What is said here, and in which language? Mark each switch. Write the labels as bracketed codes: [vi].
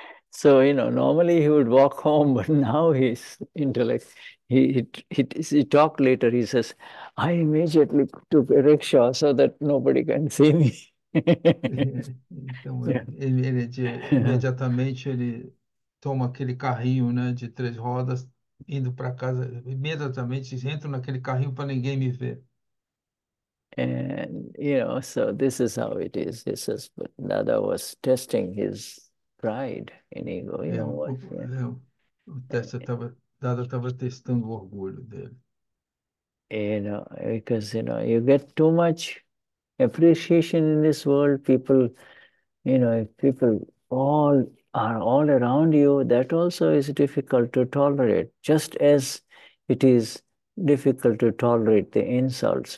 [en] So, normally he would walk home, but now his intellect, he talked later, he says, I immediately took a rickshaw so that nobody can see me. [pt] Então imediatamente ele toma aquele carrinho, né, de três rodas, indo para casa, imediatamente entra naquele carrinho para ninguém me ver. [en] And, so this is how it is. He says, but Nada was testing his pride and ego, [pt] É, [en] what? [pt] o teste estava, Dada estava testando o orgulho dele. [en] You know, because you get too much appreciation in this world. People, if people all are all around you, that also is difficult to tolerate, just as it is difficult to tolerate the insults.